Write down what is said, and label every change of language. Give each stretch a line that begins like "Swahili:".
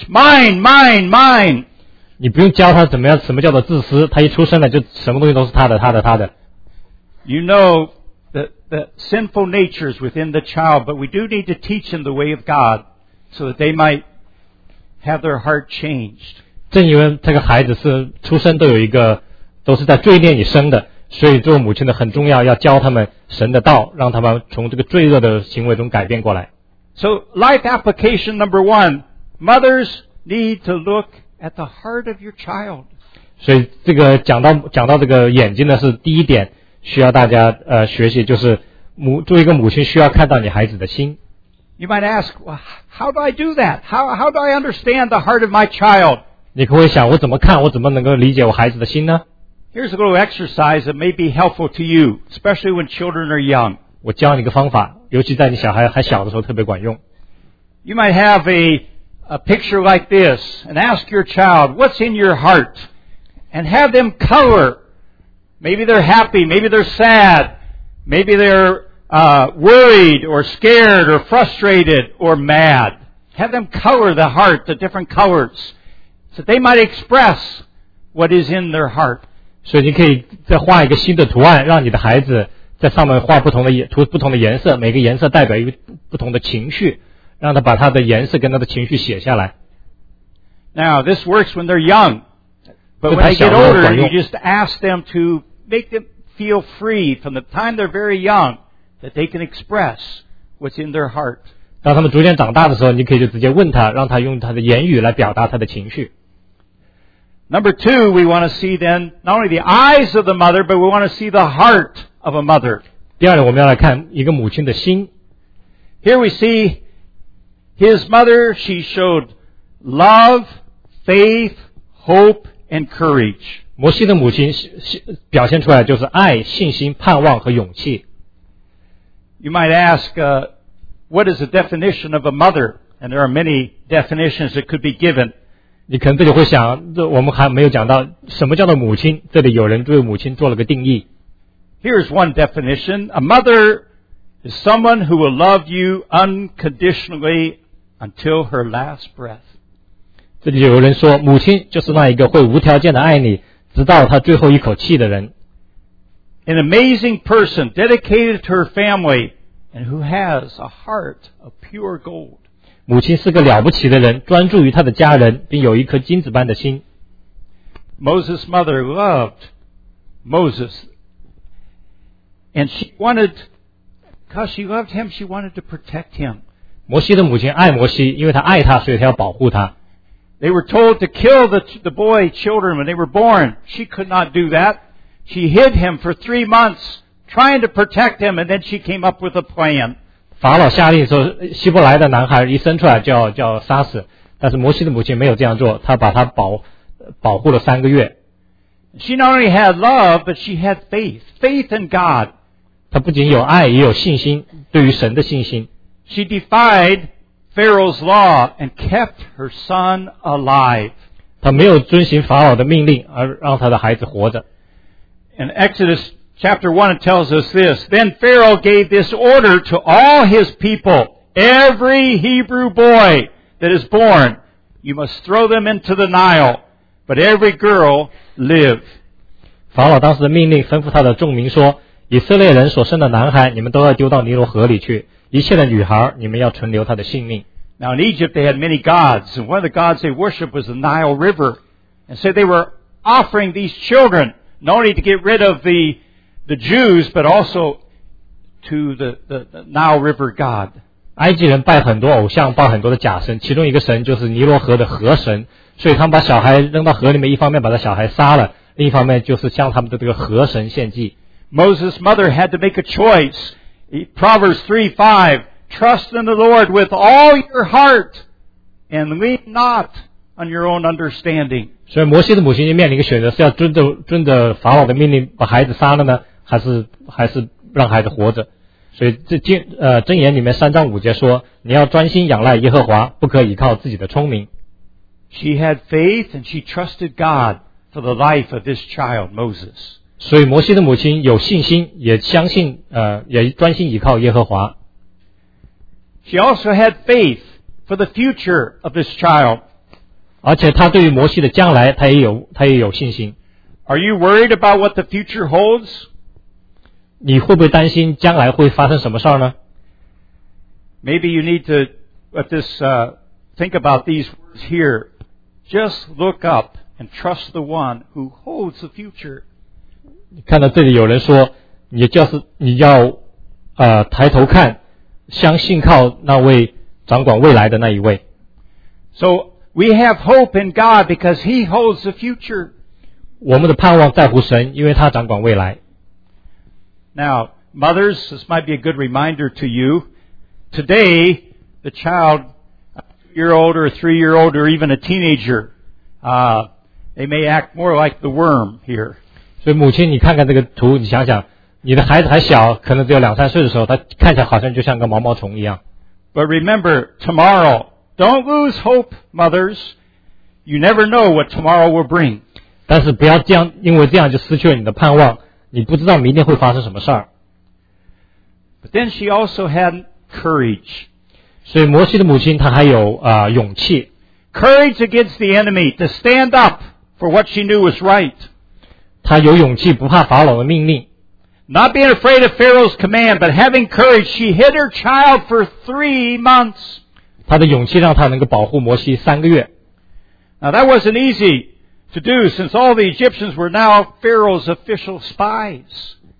English: Mine, mine, mine.
Chinese: 你不用教他怎么样，什么叫做自私，他一出生了就什么东西都是他的，他的，他的。
English: You know the sinful nature is within the child, but we do need to teach them the way of God so that they might have their heart changed.
Chinese: 正因为这个孩子是出生都有一个都是在罪孽里生的，所以做母亲的很重要，要教他们神的道，让他们从这个罪恶的行为中改变过来。
English: So life application number one, mothers need to look at the heart of your child.
Chinese: 所以这个讲到这个眼睛呢，是第一点需要大家学习，就是作为一个母亲需要看到你孩子的心。
English: You might ask, well, how do I do that? How do I understand the heart of my child?
Chinese: 你可会想我怎么看，我怎么能够理解我孩子的心呢？
English: Here's a little exercise that may be helpful to you, especially when children are young.
Chinese: 我教你一个方法，尤其在你小孩还小的时候特别管用。
English: You might have a picture like this and ask your child, what's in your heart? And have them color. Maybe they're happy, maybe they're sad, maybe they're worried or scared or frustrated or mad. Have them color the heart, the different colors. That they might express what is in their heart.
Chinese: 所以你可以再画一个新的图案，让你的孩子在上面画不同的涂不同的颜色，每个颜色代表一个不同的情绪，让他把他的颜色跟他的情绪写下来。
English: Now this works when they're young, but when they get older, you just ask them to make them feel free from the time they're very young that they can express what's in their heart.
Chinese: 当他们逐渐长大的时候，你可以就直接问他，让他用他的言语来表达他的情绪。
English: Number two, we want to see then not only the eyes of the mother, but we want to see the heart of a mother.
Chinese: 第二点，我们要来看一个母亲的心。
English: Here we see his mother. She showed love, faith, hope, and courage.
Chinese: 摩西的母亲表现出来就是爱、信心、盼望和勇气。
English: You might ask. What is the definition of a mother? And there are many definitions that could be given.
Chinese: 你可能这里会想，我们还没有讲到什么叫做母亲。这里有人对母亲做了个定义。
English: Here's one definition. A mother is someone who will love you unconditionally until her last breath.
Chinese: 这里有人说，母亲就是那一个会无条件的爱你，直到她最后一口气的人。
English: An amazing person dedicated to her family. And who has a heart of pure gold.
Chinese: 母亲是个了不起的人，专注于她的家人，并有一颗金子般的心。
English: Moses' mother loved Moses. And she wanted, because she loved him, she wanted to protect him.
Chinese: 摩西的母亲爱摩西，因为她爱他，所以她要保护他。
English: They were told to kill the boy children when they were born. She could not do that. She hid him for 3 months. Trying to protect him, and then she came up with a plan.
Chinese: 法老下令说，希伯来的男孩一生出来就要杀死。但是摩西的母亲没有这样做，她把他保护了三个月。
English: She not only had love, but she had faith in God.
Chinese: 她不仅有爱，也有信心，对于神的信心。
English: She defied Pharaoh's law and kept her son alive.
Chinese: 她没有遵循法老的命令，而让她的孩子活着。
English: In Exodus. Chapter 1 tells us this. Then Pharaoh gave this order to all his people. Every Hebrew boy that is born, you must throw them into the Nile. But every girl live.
Chinese: 法老当时的命令吩咐他的众民说，以色列人所生的男孩你们都要丢到尼罗河里去，一切的女孩你们要存留她的性命。
English: Now in Egypt they had many gods, and one of the gods they worshipped was the Nile River. And so they were offering these children not only to get rid of the Jews, but also to the Nile River God.
Chinese: 埃及人拜很多偶像，拜很多的假神，其中一个神就是尼罗河的河神，所以他们把小孩扔到河里面，一方面把他小孩杀了，另一方面就是向他们的这个河神献祭。
English: Moses' mother had to make a choice. Proverbs 3:5, trust in the Lord with all your heart and lean not on your own understanding.
Chinese: 所以摩西的母亲就面临一个选择，是要遵着法老的命令把孩子杀了呢，还是让孩子活着？所以这箴言里面三章五节说，你要专心仰赖耶和华，不可依靠自己的聪明。
English: She had faith and she trusted God for the life of this child, Moses.
Chinese: 所以摩西的母亲有信心，也相信也专心依靠耶和华。
English: She also had faith for the future of this child.
Chinese: 而且她对于摩西的将来，她也有信心。
English: Are you worried about what the future holds?
Chinese: 你会不会担心将来会发生什么事呢？
English: Maybe you need to think about these words here. Just look up and trust the one who holds the future.
Chinese: 你看到这里有人说，你要抬头看。相信靠那位掌管未来的那一位。
English: So we have hope in God because He holds the future.
Chinese: 我们的盼望在乎神，因为他掌管未来。
English: Now, mothers, this might be a good reminder to you. Today, the child, a two-year-old or a three-year-old or even a teenager, they may act more like the worm here.
Chinese: 所以母亲，你看看这个图，你想想。你的孩子还小，可能只有两三岁的时候，他看起来好像就像个毛毛虫一样。
English: But remember, tomorrow, don't lose hope, mothers. You never know what tomorrow will bring.
Chinese: 但是不要这样，因为这样就失去了你的盼望，你不知道明天会发生什么事儿。
English: But then she also had courage.
Chinese: 所以摩西的母亲她还有勇气。
English: Courage against the enemy to stand up for what she knew was right.
Chinese: 她有勇气不怕法老的命令。
English: Not being afraid of Pharaoh's command, but having courage, she hid her child for 3 months.
Chinese: 她的勇气让她能够保护摩西三个月。
English: Now that wasn't easy to do since all the Egyptians were now Pharaoh's official spies.